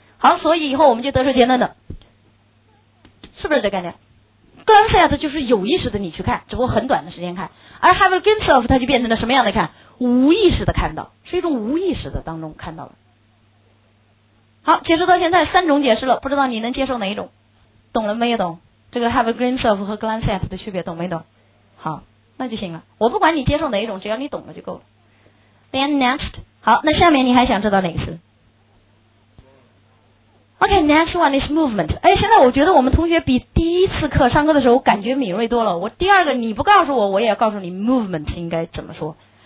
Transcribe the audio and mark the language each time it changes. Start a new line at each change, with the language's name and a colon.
Chinese: 好，所以以后我们就得出结论了，是不是这概念？ Glance at 就是有意识的你去看，只不过很短的时间看，而 Have a glimpse of 它就变成了什么样的看？无意识的看到，是一种无意识的当中看到了。好，解释到现在三种解释了，不知道你能接受哪一种，懂了没有？懂这个 Have a glimpse of 和 Glance at 的区别，懂没懂？好，那就行了，我不管你接受哪一种，只要你懂了就够了。
English: Then next，
Chinese: 好，那下面你还想知道哪一次？
English: OK， next one is movement。
Chinese: 哎，现在我觉得我们同学比第一次课上课的时候感觉敏锐多了。我第二个你不告诉我，我也要告诉你 movement 应该怎么说。